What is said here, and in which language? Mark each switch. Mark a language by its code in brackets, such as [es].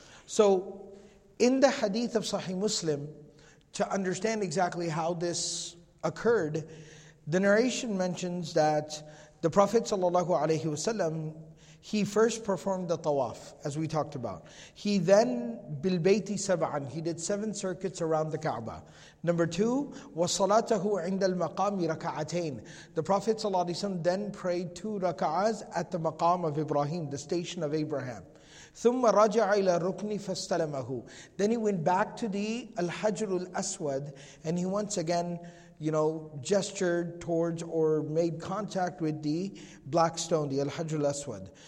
[en] So, in the hadith of Sahih Muslim, to understand exactly how this occurred, the narration mentions that the Prophet sallallahu alayhi wasallam, he first performed the tawaf, as we talked about. He then, bil bayti sab'an, he did seven circuits around the Kaaba. [ar] Number two, وَصَلَاتَهُ عِنْدَ الْمَقَامِ رَكَعَتَيْنِ. [en] The Prophet ﷺ then prayed two raka'as at the maqam of Ibrahim, the station of Abraham. [ar] ثُمَّ رَجَعَ إِلَى رُكْنِ فَاسْتَلَمَهُ. [en] Then he went back to the Al-Hajr al-Aswad, and he once again, you know, gestured towards or made contact with the black stone, the Al-Hajr al-Aswad.